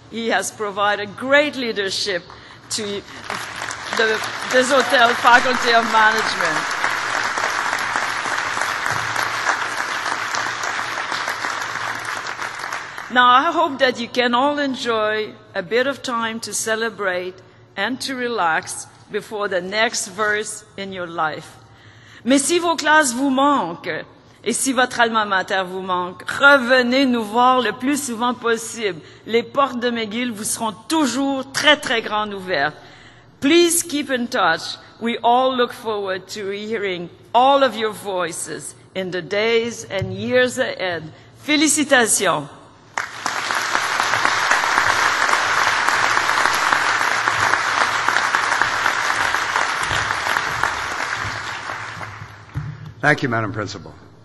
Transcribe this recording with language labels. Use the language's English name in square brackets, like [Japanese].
[English] He has provided great leadership to the Deshotels Faculty of Management. Now, I hope that you can all enjoy a bit of time to celebrate and to relax before the next verse in your life. [French] Mais si vos classes vous manquent, et si votre alma mater vous manque, revenez nous voir le plus souvent possible. Les portes de McGill vous seront toujours très, très grandes ouvertes. [English] Please keep in touch. We all look forward to hearing all of your voices in the days and years ahead. [French] Félicitations. [English] Thank you, Madam Principal.